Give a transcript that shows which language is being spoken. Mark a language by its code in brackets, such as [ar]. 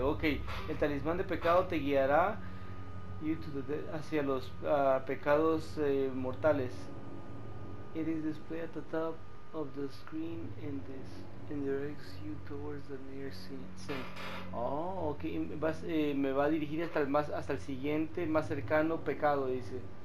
[es] Ok, el talismán de pecado te guiará hacia los pecados mortales. [en] It is displayed at the top of the screen and this directs you towards the near sin. Oh, ok. [es] Me va a dirigir hasta el siguiente, más cercano pecado, dice.